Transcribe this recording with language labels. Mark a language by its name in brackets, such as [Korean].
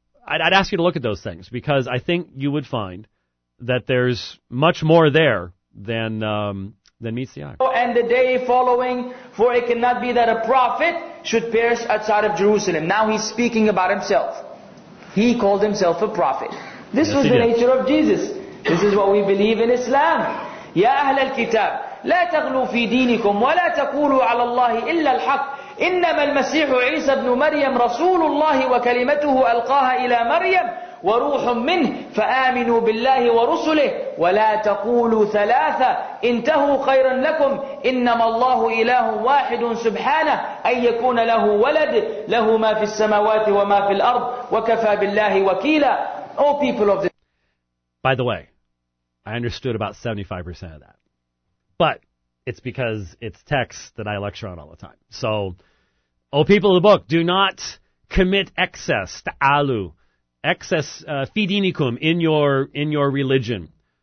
[English] I'd ask you to look at those things, because I think you would find that there's much more there than meets the eye. And the day following, for it cannot be that a prophet should perish outside of Jerusalem. Now he's speaking about himself. He called himself a prophet. This was the nature of Jesus. This is what we believe in Islam. [Arabic] Ya Ahl al-Kitab, لا تغلوا في دينكم ولا تقولوا على الله إلا الحق إنما المسيح عيسى بن مريم رسول الله وكلمته ألقاها إلى مريم وروح منه فآمنوا بالله ورسله ولا تقولوا ثلاثة انتهوا خيرا لكم إنما الله إله واحد سبحانه أن يكون له ولد له ما في السماوات وما في الأرض وكفى بالله وكيلا. [English] All people of the... By the way, I understood about 75% of that. But it's because it's text that I lecture on all the time. So, O people of the book, do not commit excess, ta'alu, excess, fidinikum, in your religion.